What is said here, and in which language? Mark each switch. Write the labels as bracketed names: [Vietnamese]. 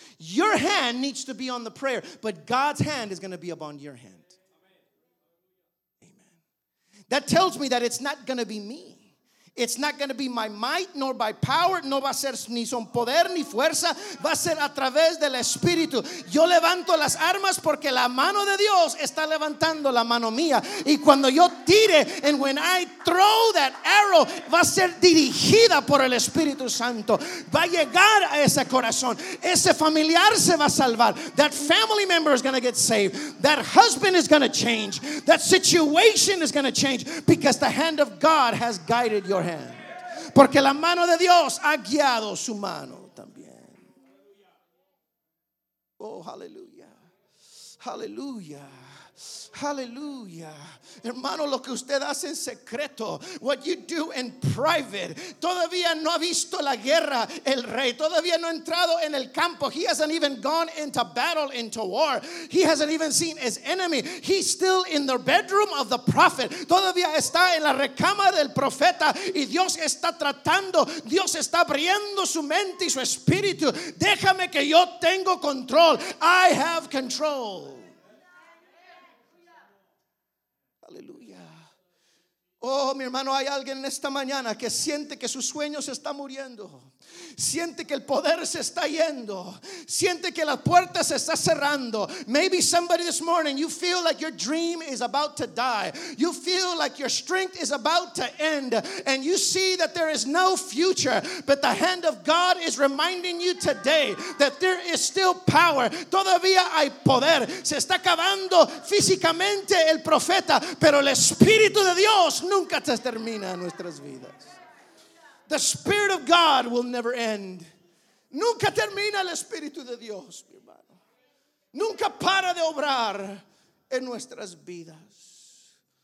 [English] Your hand needs to be on the prayer, but God's hand is going to be upon your hand. Amen. That tells me that it's not going to be me. It's not going to be my might nor by power. [Spanish] No va a ser ni son poder ni fuerza. Va a ser a través del Espíritu. Yo levanto las armas porque la mano de Dios está levantando la mano mía. Y cuando yo tire, [English] and when I throw that arrow, [Spanish] va a ser dirigida por el Espíritu Santo. Va a llegar a ese corazón. Ese familiar se va a salvar. [English] That family member is going to get saved. That husband is going to change. That situation is going to change. Because the hand of God has guided you. [Spanish] Porque la mano de Dios ha guiado su mano también. Oh, aleluya, aleluya, aleluya. Hermano, lo que usted hace en secreto, [English] what you do in private, [Spanish] todavía no ha visto la guerra el rey, todavía no ha entrado en el campo. [English] He hasn't even gone into battle, into war. He hasn't even seen his enemy. He's still in the bedroom of the prophet. [Spanish] Todavía está en la recama del profeta y Dios está tratando, Dios está abriendo su mente y su espíritu. Déjame que yo tengo control. [English] I have control. [Spanish] Oh, mi hermano, hay alguien en esta mañana que siente que su sueño se está muriendo. Siente que el poder se está yendo. Siente que la puerta se está cerrando. [English] Maybe somebody this morning, you feel like your dream is about to die. You feel like your strength is about to end. And you see that there is no future. But the hand of God is reminding you today that there is still power. [Spanish] Todavía hay poder. Se está acabando físicamente el profeta, pero el Espíritu de Dios nunca se termina en nuestras vidas. [English] The Spirit of God will never end. [Spanish] Nunca termina el Espíritu de Dios, mi hermano. Nunca para de obrar en nuestras vidas.